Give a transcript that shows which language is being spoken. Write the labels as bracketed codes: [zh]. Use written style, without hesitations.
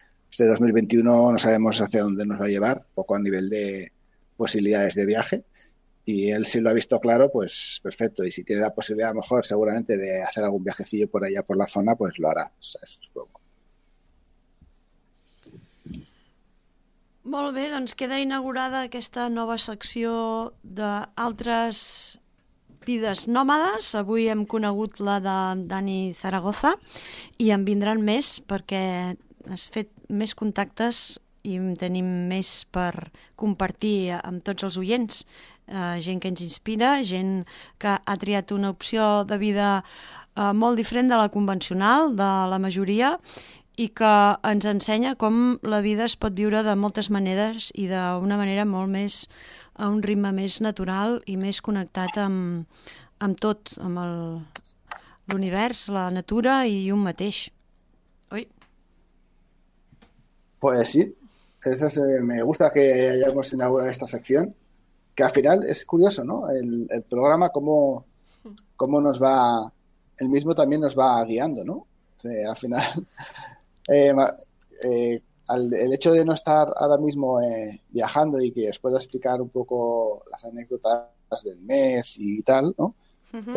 [es] Este 2021 no sabemos hacia dónde nos va a llevar, poco a nivel de posibilidades de viaje. Y él, si lo ha visto claro, pues perfecto. Y si tiene la posibilidad, a lo mejor, seguramente, de hacer algún viajecillo por allá, por la zona, pues lo hará. O sea, eso es poco. [ca] Molt bé, doncs queda inaugurada aquesta nova secció d'altres vides nòmades. Avui hem conegut la de Dani Zaragoza i en vindran més perquè has fet més contactes i tenim més per compartir amb tots els oients. Gent que ens inspira, gent que ha triat una opció de vida molt diferent de la convencional, de la majoria, i que ens ensenya com la vida es pot viure de moltes maneres i d'una manera molt més, a un ritme més natural i més connectat amb tot, amb l'univers, la natura i un mateix. Oi? [es] Pues sí, me gusta que hayamos inaugurado esta sección. Que al final es curioso, ¿no? El programa, cómo nos va, el mismo también nos va guiando, ¿no? O sea, al final, el hecho de no estar ahora mismo viajando y que os pueda explicar un poco las anécdotas del mes y tal, ¿no? Uh-huh.